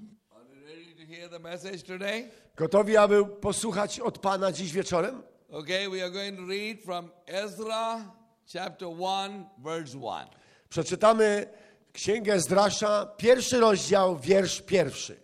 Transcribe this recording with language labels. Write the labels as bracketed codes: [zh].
[en] Are you ready to hear the message today? [pl] Gotowi, aby posłuchać od Pana dziś wieczorem? [en] Okay, we are going to read from Ezra chapter 1 verse 1. [pl] Przeczytamy Księgę Ezdrasza, pierwszy rozdział, wiersz pierwszy.